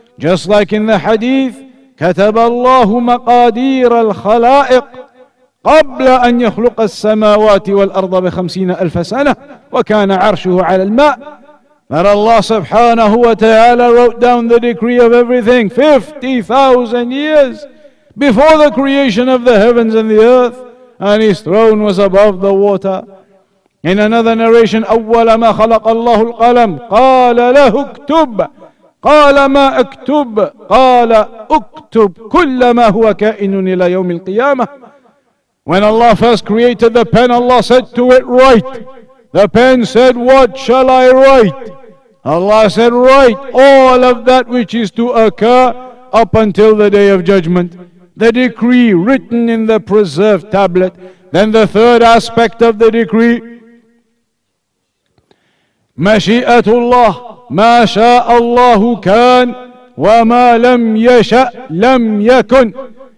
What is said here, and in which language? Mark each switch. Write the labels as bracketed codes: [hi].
[en] Just like in the hadith, [ar] كَتَبَ اللَّهُ مَقَادِيرَ الْخَلَائِقِ قَبْلَ أَنْ يَخْلُقَ السَّمَاوَاتِ وَالْأَرْضَ بِخَمْسِينَ أَلْفَ سَنَةٍ وَكَانَ عَرْشُهُ عَلَى الْمَاءِ. [en] that Allah subhanahu wa ta'ala wrote down the decree of everything 50,000 years before the creation of the heavens and the earth, and his throne was above the water. In another narration, [ar] أول ما خلق الله القلم قال له اكتب قال ما اكتب قال اكتب كل ما هو كائن إلى يوم القيامة. [en] When Allah first created the pen, Allah said to it, write. The pen said, what shall I write? Allah said, write all of that which is to occur up until the day of judgment. The decree written in the preserved tablet. Then the third aspect of the decree, [ar] مَشِئَةُ اللَّهِ مَا شَاءَ اللَّهُ كَانْ وَمَا لَمْ يَشَأْ لَمْ يَكُنْ.